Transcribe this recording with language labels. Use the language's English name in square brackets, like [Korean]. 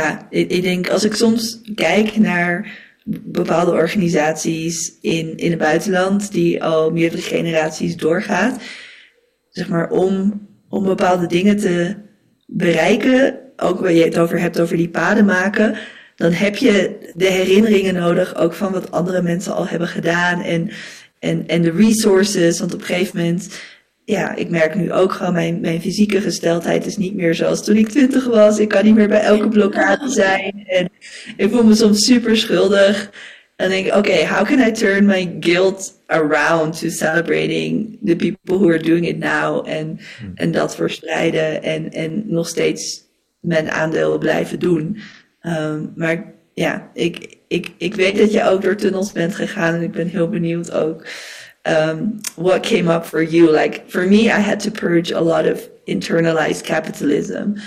[Dutch] Ik denk als ik soms kijk naar bepaalde organisaties in het buitenland, die al meerdere generaties doorgaat, zeg maar om bepaalde dingen te bereiken, ook waar je het over hebt, over die paden maken, dan heb je de herinneringen nodig, ook van wat andere mensen al hebben gedaan en de resources, want op een gegeven moment, ja, ik merk nu ook gewoon, mijn fysieke gesteldheid is niet meer zoals toen ik 20 was. Ik kan niet meer bij elke blokkade zijn. En ik voel me soms super schuldig. En denk ik, oké, [English] how can I turn my guilt around to celebrating the people who are doing it now? [Dutch] En dat verspreiden en nog steeds mijn aandeel blijven doen. Maar ja, ik weet dat je ook door tunnels bent gegaan en ik ben heel benieuwd ook [English] what came up for you. Like, for me, I had to purge a lot of internalized capitalism.